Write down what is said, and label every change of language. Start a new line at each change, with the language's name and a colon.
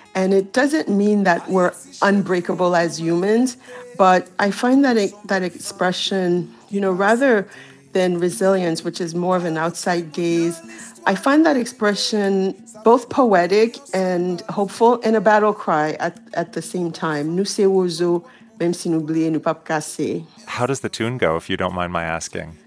English: And it doesn't mean that we're unbreakable as humans, but I find that that expression, you know, rather than resilience, which is more of an outside gaze, I find that expression both poetic and hopeful and a battle cry at the same time.
Haitian Creole: Nous c'est wozo, même si nous blier, nous pas casser.
English: How does the tune go, if you don't mind my asking?